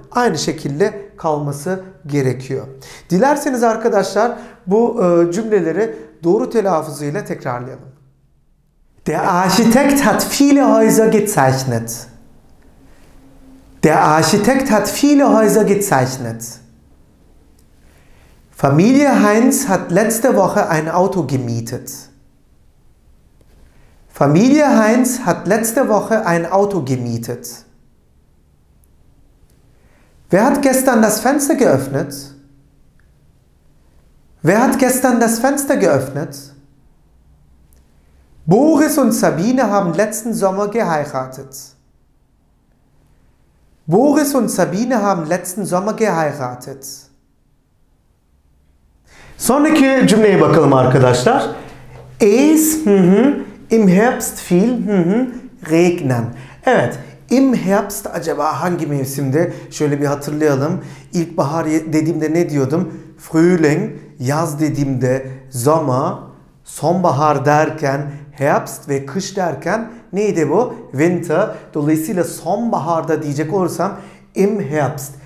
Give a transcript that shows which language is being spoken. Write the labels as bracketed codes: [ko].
[tr] Aynı şekilde kalması gerekiyor. Dilerseniz arkadaşlar bu cümleleri doğru telaffuzuyla tekrarlayalım. [de] Der Architekt hat viele Häuser gezeichnet. Der Architekt hat viele Häuser gezeichnet. Familie Heinz hat letzte Woche ein Auto gemietet. Familie Heinz hat letzte Woche ein Auto gemietet. Wer hat gestern das Fenster geöffnet? Wer hat gestern das Fenster geöffnet? Boris und Sabine haben letzten Sommer geheiratet. Boris und Sabine haben letzten Sommer geheiratet. [tr] Sonraki cümleye bakalım arkadaşlar. [de] Es im Herbst viel regnen. [tr] Evet, im Herbst acaba hangi mevsimde? Şöyle bir hatırlayalım. İlkbahar dediğimde ne diyordum? Frühling, yaz dediğimde Sommer, sonbahar derken Herbst ve kış derken neydi bu? Winter. Dolayısıyla sonbaharda diyecek olursam im Herbst.